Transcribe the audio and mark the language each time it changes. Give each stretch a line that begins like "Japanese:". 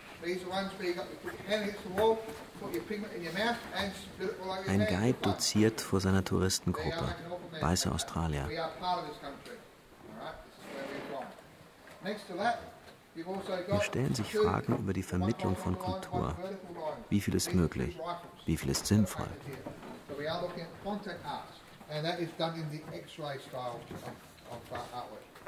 English: These are ones where you got to put your hand against the wall, put your pigment in your mouth, and spit it all over your
German: Ein Guide doziert vor seiner Touristengruppe, weiße Australier.
English: We are part of this country. All right, this is where we're from. Next to that, you've also got.
German: Wir stellen sich Fragen über die Vermittlung von Kultur. Wie viel ist möglich? Wie viel ist sinnvoll?
English: So we are looking at content art, and that is done in the X-ray style of artwork.